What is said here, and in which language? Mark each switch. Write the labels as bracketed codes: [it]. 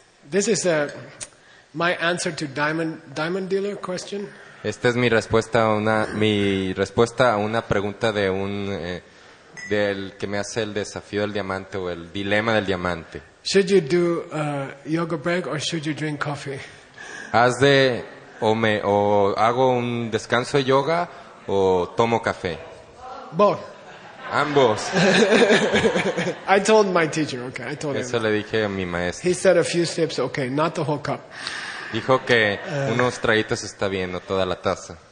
[en] This is my answer to diamond dealer question. [es] Esta es mi respuesta a una pregunta de un del que me hace el desafío del diamante o el dilema del diamante. [en] Should you do a yoga break or should you drink coffee? [es] ¿Has de o hago un descanso de yoga o tomo café? [en] Both. [es] Ambos. [en] I told my teacher, okay, I told him. [es] Eso le dije a mi maestro. [en] He said a few sips, okay, not the whole cup. [es] Dijo que unos traguitos está bien, no toda la taza.